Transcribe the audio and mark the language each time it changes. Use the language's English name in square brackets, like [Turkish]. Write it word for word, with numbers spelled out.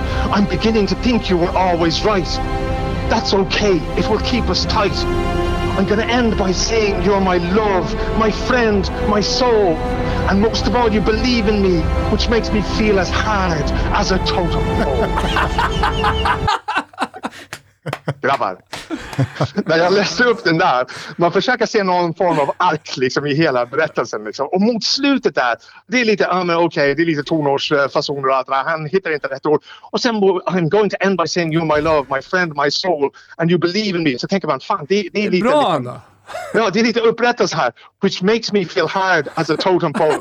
[English] I'm beginning to think you were always right. That's okay, it will keep us tight. I'm going to end by saying you're my love, my friend, my soul, and most of all you believe in me, which makes me feel as hard as a totem pole. [Swedish] Grabbar, när jag läste upp den där, man försöker se någon form av ark liksom, i hela berättelsen. Liksom. Och mot slutet där, det är lite, ah, men okej, okay, det är lite tonårsfasoner och allt där. Han hittar inte rätt ord. Och sen, [English] I'm going to end by saying you're my love, my friend, my soul, and you believe in me. [Swedish] Så tänker man, fan, det, det är lite... Bra, Anna! Ja, det är lite upprättelse här. [English] Which makes me feel hard as a totem pole.